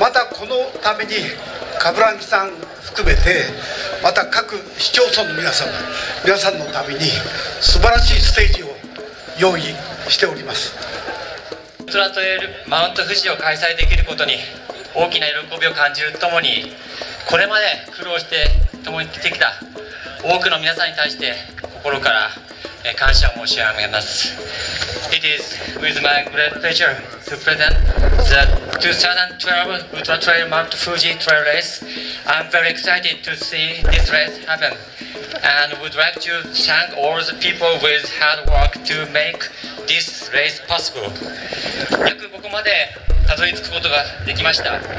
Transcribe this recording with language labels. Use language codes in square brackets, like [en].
[ja] またこのためにカブランギさん含めて、また各市町村の皆さんのために素晴らしいステージを用意しております。ウルトラトレイルマウント富士を開催できることに大きな喜びを感じるともに、これまで苦労して共に来てきた多くの皆さんに対して心から感謝を申し上げます。 [en] It is with my great pleasure to present the 2012 Ultra Trail Mount Fuji Trail Race. I'm very excited to see this race happen and would like to thank all the people with hard work to make this race possible. [ja] 約ここまでたどり着くことができました。